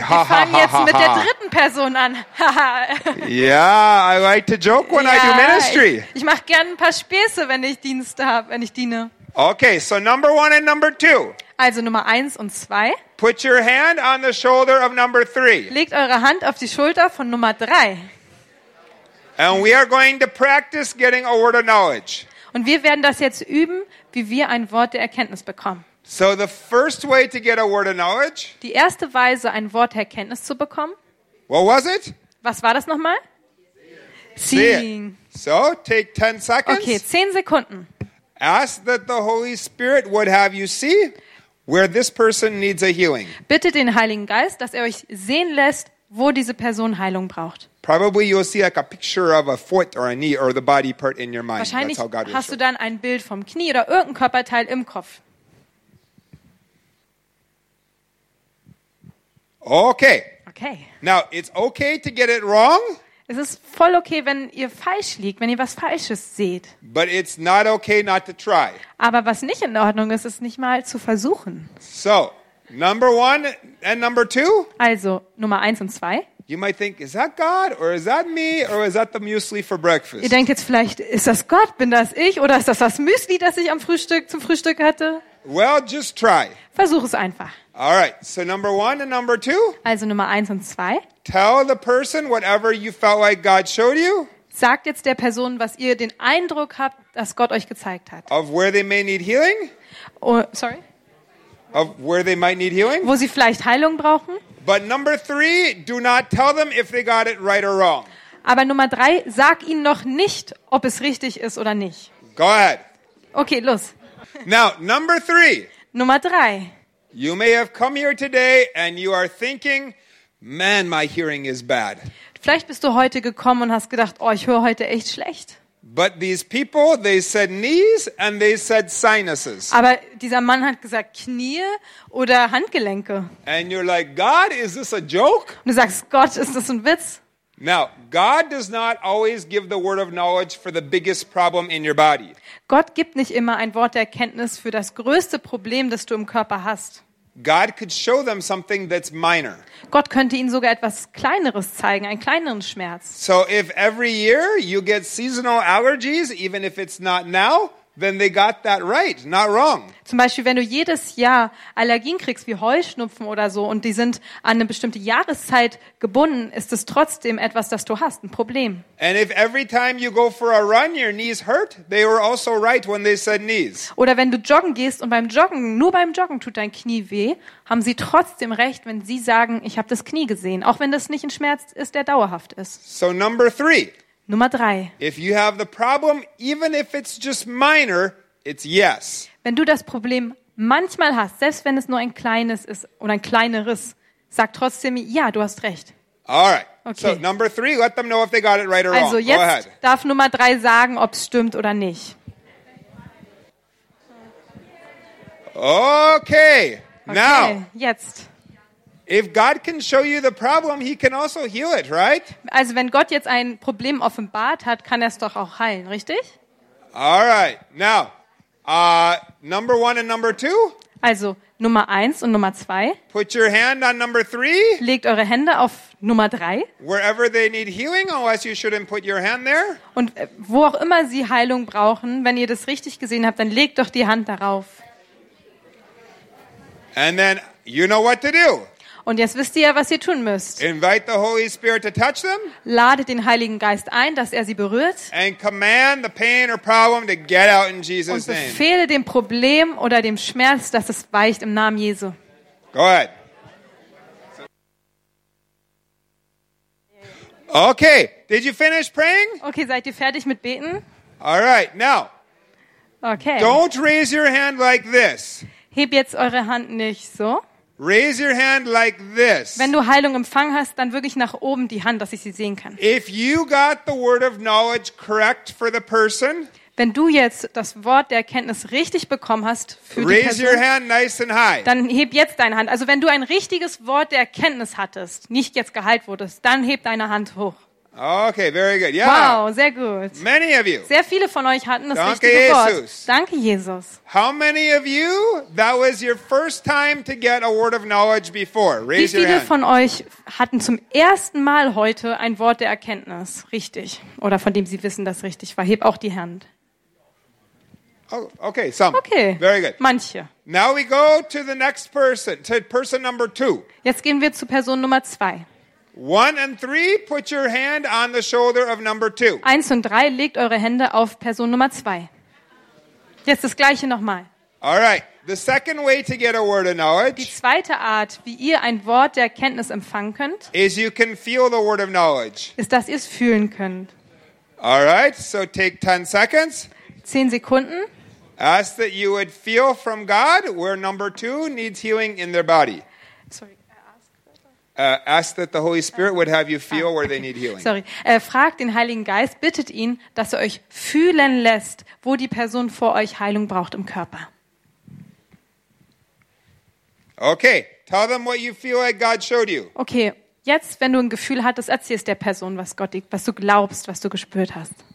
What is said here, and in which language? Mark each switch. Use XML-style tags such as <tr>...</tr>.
<de>Wir fangen jetzt mit der dritten Person an.</de> <en>Yeah, I like to joke when I do ministry.</en> <de>Ich mache gerne ein paar Späße, wenn ich Dienste habe, wenn ich diene.</de> <en>Okay, so number 1 and number 2.</en> <de>Also Nummer 1 und 2.</de> <en>Put your hand on the shoulder of number 3.</en> <de>Legt eure Hand auf die Schulter von Nummer 3.</de> <en>And we are going to practice getting a word of knowledge.</en> <de>Und wir werden das jetzt üben, wie wir ein Wort der Erkenntnis bekommen.</de> <en>So the first way to get a word of knowledge?</en> <de>Die erste Weise, ein Wort der Erkenntnis zu bekommen?</de> <en>What was it?</en> <de>Was war das nochmal?</de> <en>Seeing. So take 10 seconds.</en> <de>Okay, 10 Sekunden.</de> <en>Ask that the Holy Spirit would have you see where this person needs a healing.</en> <de>Bitte den Heiligen Geist, dass er euch sehen lässt, wo diese Person Heilung braucht.</de> <en>Probably you'll see like a picture of a foot or a knee or the body part in your mind.</en> <de>Wahrscheinlich hast du dann ein Bild vom Knie oder irgendein Körperteil im Kopf.</de> <en>Okay.</en> <de>Okay.</de> <en>Now, it's okay to get it wrong.</en> <de>Es ist voll okay, wenn ihr falsch liegt, wenn ihr was Falsches seht.</de> <en>But it's not okay not to try.</en> <de>Aber was nicht in Ordnung ist, ist nicht mal zu versuchen.</de> <en>So, number 1 and number 2?</en> <de>Also, Nummer 1 und 2?</de> <en>You might think, is that God or is that me or is that the muesli for breakfast?</en> <de>Ihr denkt jetzt vielleicht, ist das Gott, bin das ich oder ist das das Müsli, das ich am Frühstück zum Frühstück hatte?</de> <en>Well, just try.</en> <de>Versuch es einfach.</de> <en>All right. So number 1 and number 2?</en> <de>Also Nummer 1 und 2?</de> <en>Tell the person whatever you felt like God showed you. Sagt jetzt der Person, was ihr den Eindruck habt, dass Gott euch gezeigt hat. Of where they may need healing? Of where they might need healing?</en> <de>Wo sie vielleicht Heilung brauchen?</de> <en>But number 3, do not tell them if they got it right or wrong.</en> <de>Aber Nummer 3, sag ihnen noch nicht, ob es richtig ist oder nicht.</de> <en>Go ahead.</en> <de>Okay, los.</de> <en>Now, number 3.</en> <de>Nummer 3.</de> <en>You may have come here today and you are thinking, man, my hearing is bad.</en> <de>Vielleicht bist du heute gekommen und hast gedacht, oh, ich höre heute echt schlecht.</de> <en>But these people, they said knees and they said sinuses.</en> <de>Aber dieser Mann hat gesagt Knie oder Handgelenke.</de> <en>And you're like, God, is this a joke?</en> <de>Und du sagst, Gott, ist das ein Witz?</de> <en>Now, God does not always give the word of knowledge for the biggest problem in your body.</en> <de>Gott gibt nicht immer ein Wort der Erkenntnis für das größte Problem, das du im Körper hast.</de> <en>God could show them something that's minor.</en> <de>Gott könnte ihnen sogar etwas Kleineres zeigen, einen kleineren Schmerz.</de> <en>So if every year you get seasonal allergies, even if it's not now, then they got that right, not wrong.</en> <de>Zum Beispiel, wenn du jedes Jahr Allergien kriegst, wie Heuschnupfen oder so, und die sind an eine bestimmte Jahreszeit gebunden, ist es trotzdem etwas, das du hast, ein Problem.</de> <en>And if every time you go for a run, your knees hurt, they were also right when they said knees.</en> <de>Oder wenn du joggen gehst und nur beim Joggen tut dein Knie weh, haben sie trotzdem recht, wenn sie sagen, ich habe das Knie gesehen, auch wenn das nicht ein Schmerz ist, der dauerhaft ist.</de> <en>So number three.</en> <de>Nummer drei.</de> <en>If you have the problem, even if it's just minor, it's yes.</en> <de>Wenn du das Problem manchmal hast, selbst wenn es nur ein kleines ist oder ein kleineres, sag trotzdem ja, du hast recht.</de> <en>All right. Okay. So number three, let them know if they got it right or</en> <de>also</de> <en>wrong.</en> <de>Also jetzt darf Nummer drei sagen, ob es stimmt oder nicht.</de> <en>Okay. Now.</en> <de>Okay, jetzt.</de> <en>If God can show you the problem, he can also heal it, right?</en> <de>Also, wenn Gott jetzt ein Problem offenbart hat, kann er es doch auch heilen, richtig?</de> <en>All right. Now, number one and number two.</en> <de>Also, Nummer eins und Nummer zwei.</de> <en>Put your hand on number three.</en> <de>Legt eure Hände auf Nummer drei.</de> <en>Wherever they need healing, unless you shouldn't put your hand there.</en> <de>Und wo auch immer sie Heilung brauchen, wenn ihr das richtig gesehen habt, dann legt doch die Hand darauf.</de> <en>And then, you know what to do.</en> <de>Und jetzt wisst ihr ja, was ihr tun müsst.</de> <en>Invite the Holy Spirit to touch them.</en> <de>Ladet den Heiligen Geist ein, dass er sie berührt.</de> <en>And command the pain or problem to get out in Jesus' name.</en> <de>Und befehle dem Problem oder dem Schmerz, dass es weicht im Namen Jesu.</de> <en>Go ahead. Okay, did you finish praying?</en> <de>Okay, seid ihr fertig mit beten?</de> <en>All right, now.</en> <de>Okay.</de> <en>Don't raise your hand like this.</en> <de>Heb jetzt eure Hand nicht so.</de> <en>Raise your hand like this.</en> <de>Wenn du Heilung empfangen hast, dann wirklich nach oben die Hand, dass ich sie sehen kann.</de> <en>If you got the word of knowledge correct for the person,</en> <de>wenn du jetzt das Wort der Erkenntnis richtig bekommen hast für</de> <en>raise</en> <de>die Person,</de> <en>your hand nice and high.</en> <de>Dann heb jetzt deine Hand. Also wenn du ein richtiges Wort der Erkenntnis hattest, nicht jetzt geheilt wurdest, dann heb deine Hand hoch.</de> <en>Okay, very good. Yeah.</en> <de>Wow, sehr gut.</de> <en>Many of you.</en> <de>Sehr viele von euch hatten das Danke richtige Jesus. Wort. Danke, Jesus.</de> <en>How many of you that was your first time to get a word of knowledge before? Raise your hand.</en> <de>Wie viele von euch hatten zum ersten Mal heute ein Wort der Erkenntnis, richtig? Oder von dem sie wissen, dass richtig war? Heb auch die Hand.</de> <en>Oh, okay, some. Okay. Very good.</en> <de>Manche.</de> <en>Now we go to the next person, to person number two.</en> <de>Jetzt gehen wir zu Person Nummer zwei.</de> <en>One and three, put your hand on the shoulder of number two.</en> <de>Eins und drei, legt eure Hände auf Person Nummer zwei. Jetzt das Gleiche nochmal.</de> <en>All right. The second way to get a word of knowledge.</en> <de>Die zweite Art, wie ihr ein Wort der Erkenntnis empfangen könnt.</de> <en>Is you can feel the word of knowledge.</en> <de>Ist, dass ihr es fühlen könnt.</de> <en>All right. So take 10 seconds.</en> <de>10 Sekunden.</de> <en>Ask that you would feel from God where number two needs healing in their body. Ask that the Holy Spirit would have you feel where they need healing. Sorry.</en> <de>Fragt den Heiligen Geist, bittet ihn, dass er euch fühlen lässt, wo die Person vor euch Heilung braucht im Körper.</de> <en>Okay, tell them what you feel like God showed you.</en> <de>Okay, jetzt, wenn du ein Gefühl hattest, erzähl es der Person, was Gott dir, was du glaubst, was du gespürt hast.</de>